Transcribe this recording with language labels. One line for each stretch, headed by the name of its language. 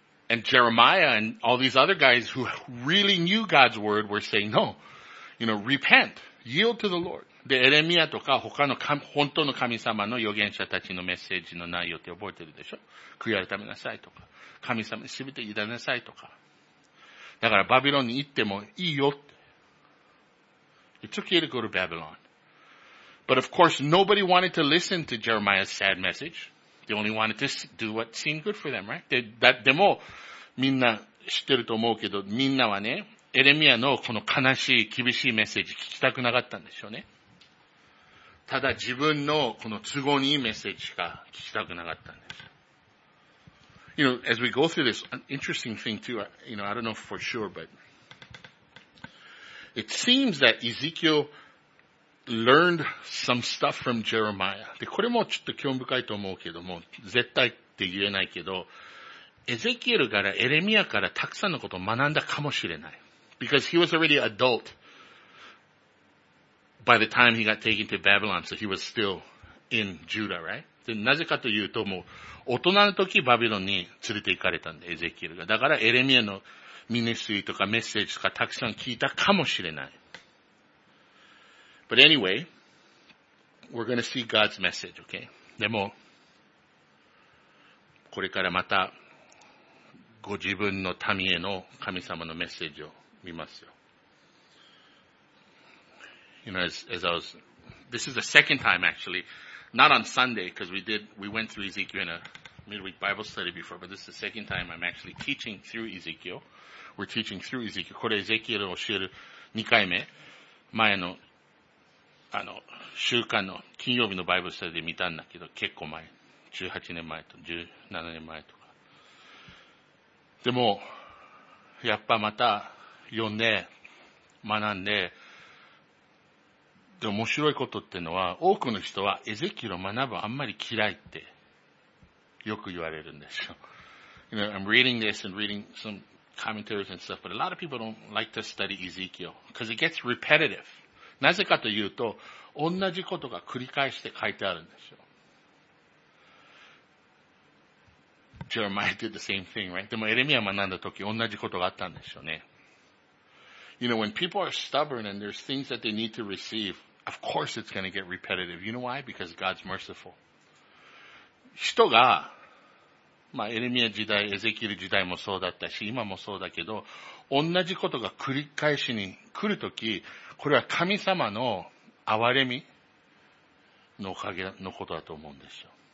English: And Jeremiah and all these other guys who really knew God's word were saying, no, you know, repent, yield to the Lord.
Japanese: で、エレミアとか他の本当の神様の預言者たちのメッセージの内容って覚えてるでしょ。悔い改めなさいとか、神様に全て委ねなさいとか。だからバビロンに行ってもいいよって。
English: It's okay to go to Babylon. But of course, nobody wanted to listen to Jeremiah's sad message. They only wanted to do what seemed good for them, right?
Japanese: でも、みんな知ってると思うけど、みんなはね、エレミアのこの悲しい、厳しいメッセージ聞きたくなかったんでしょうね。ただ自分のこの都合にいいメッセージしか聞きたくなかったんです。
English: You know, as we go through this, an interesting thing too, you know, I don't know for sure, but it seems that Ezekiel learned some stuff from Jeremiah.
Japanese: で、これもちょっと興味深いと思うけども、絶対って言えないけど、エゼキエルからエレミアからたくさんのことを学んだかもしれない。
English: Because he was already adult by the time he got taken to Babylon, so he was still in Judah, right?
Japanese: で、なぜかというと、もう大人の時バビロンに連れて行かれたんで、エゼキエルが。だからエレミアのミニスリーとかメッセージとかたくさん聞いたかもしれない。
English: But anyway, we're going to see God's message, okay?
Japanese: でも、これからまた、ご自分の民への神様のメッセージを見ますよ。
English: You know, this is the second time actually, not on Sunday, because we went through Ezekiel in a midweek Bible study before, but this is the second time I'm actually teaching through Ezekiel. We're teaching through Ezekiel.
Japanese: これエゼキエルを教える2回目、前の週間の金曜日のバイブルスタディで見たんだけど、結構前。 18年前と、17年前とか。でも、やっぱまた読んで、学んで、で、面白いことってのは、多くの人はエゼキエルを学ぶあんまり嫌いって、よく言われるんですよ。
English: You know, I'm reading this and reading some commentaries and stuff, but a lot of people don't like to study Ezekiel, because it gets repetitive.
Japanese: なぜかというと、同じことが繰り返して書いてあるんですよ。
English: Jeremiah did the same thing, right?
Japanese: でもエレミア学んだ時、同じことがあったんですよね。
English: You know, when people are stubborn and there's things that they need to receive, of course it's going to get repetitive. You know why? Because God's merciful.
Japanese: 人が、まあエレミア時代、エゼキエル時代もそうだったし、今もそうだけど、同じことが繰り返しに来るとき、これは神様の憐れみのおかげのことだと思うんですよ。